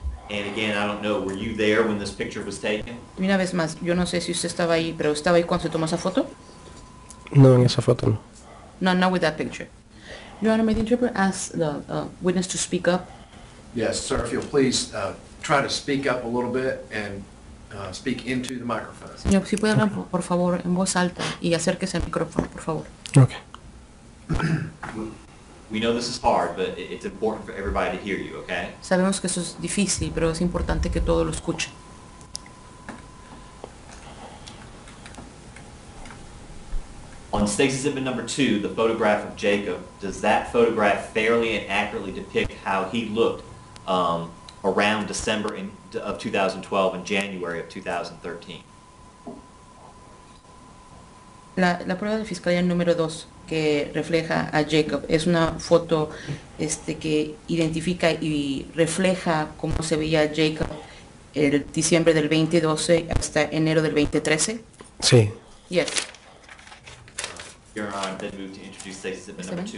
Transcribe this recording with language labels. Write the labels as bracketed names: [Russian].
[English] And again, I don't know, were you there when this picture was taken? [Spanish] Una vez más, yo no sé si usted estaba ahí, pero ¿estaba ahí cuando se tomó esa foto? No, en esa foto no. [English] No, not with that picture. Your Honor, may the interpreter ask the witness to speak up? Yes, sir, if you'll please try to speak up a little bit and speak into the microphone. [Spanish] Señor, si puede hablar, por favor, en voz alta y acérquese al micrófono, por favor. [English] Okay. We know this is hard, but it's important for everybody to hear you, okay? [Spanish] Sabemos que eso es difícil, pero es importante que todo lo escuche. [English] On State Exhibit number 2, the photograph of Jacob, does that photograph fairly and accurately depict how he looked around December of 2012 and January of 2013? [Spanish] La prueba de fiscalía número 2 que refleja a Jacob es una foto que identifica y refleja cómo se veía Jacob el diciembre del 2012 hasta enero del 2013? Sí. [English] Yes. Your Honor, I've been moved to introduce State Exhibit number 2